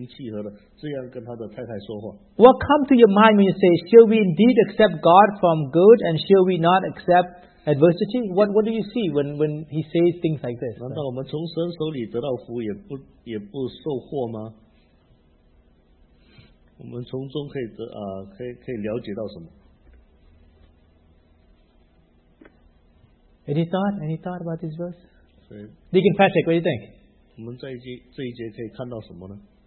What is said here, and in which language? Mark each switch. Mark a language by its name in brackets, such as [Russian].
[Chinese] 这个约伯在这时候是非常，就是约伯在这时候是整身都是在痛的，但是他却可以心平气和的这样跟他的太太说话。 [English] What comes to your mind when you say, shall we indeed accept God from good and shall we not accept adversity? What do you see when he says things like this? [Chinese] 难道我们从神手里得到福也不受祸吗？我们从中可以了解到什么？ [English] Any thought about this verse? Deacon Patrick, what do you think? [Chinese] 我们这一节可以看到什么呢?